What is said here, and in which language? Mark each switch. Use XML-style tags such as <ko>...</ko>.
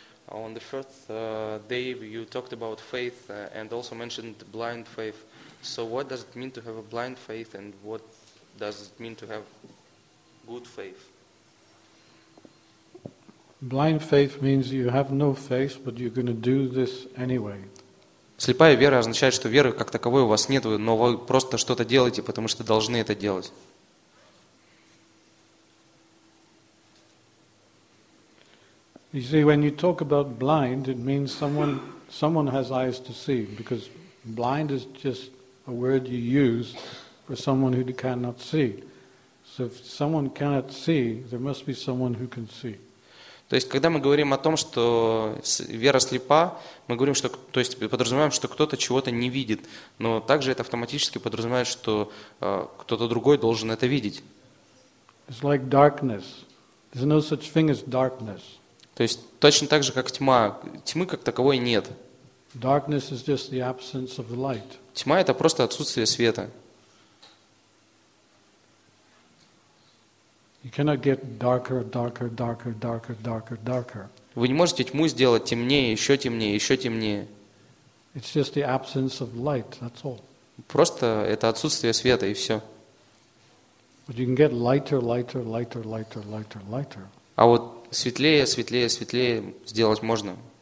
<en>On the first day, you talked about faith and also mentioned blind faith. So what does it mean to have a blind faith and what does it mean to have good faith? Blind faith means you have no faith, but you're going to do this anyway.</en> <ru>Слепая вера означает, что веры как таковой у вас нет, но вы просто что-то делаете, потому что должны это делать.</ru> <en>You see, when you talk about blind, it means someone has eyes to see, because blind is just a word you use for someone who cannot see. So if someone cannot see, there must be someone who can see.</en> <ru>То есть, когда мы говорим о том, что вера слепа, мы говорим, что, то есть, подразумеваем, что кто-то чего-то не видит, но также это автоматически подразумевает, что кто-то другой должен это видеть.</ru> <en>It's like darkness. There's no such thing as darkness.</en> <ru>То есть, точно так же, как тьма. Тьмы как таковой нет.</ru> <en>Darkness is just the absence of light.</en> <ru>Тьма – это просто отсутствие света.</ru> <en>You cannot get darker, darker, darker, darker, darker, darker.</en> <ru>Вы не можете тьму сделать темнее, еще темнее, еще темнее.</ru> <en>It's just the absence of light, that's all.</en> <ru>Просто это отсутствие света, и все.</ru> <en>But you can get lighter, lighter, lighter, lighter, lighter, lighter.</en> <ru>А вот светлее, светлее, светлее сделать можно.</ru>